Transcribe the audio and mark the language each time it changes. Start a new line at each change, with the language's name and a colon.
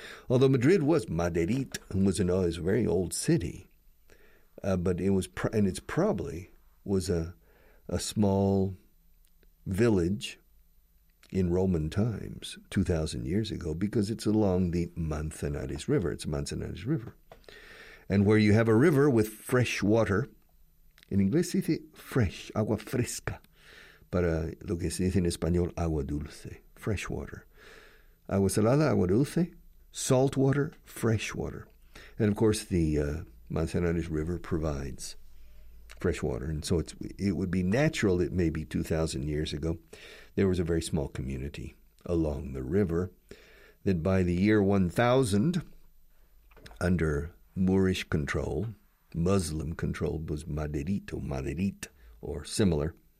English: Although Madrid was Maderit, and was always a very old city, but it was probably a small village in Roman times 2,000 years ago because it's along the Manzanares River. It's Manzanares River. And where you have a river with fresh water, in English, it's fresh,
Spanish: agua fresca. Para lo que se dice en español, agua dulce,
English: fresh water.
Spanish: Agua salada, agua dulce,
English: salt water, fresh water. And of course, the Manzanares River provides fresh water. And so it would be natural that maybe 2,000 years ago, there was a very small community along the river that by the year 1000, under Moorish control, Muslim control was Maderit, or similar.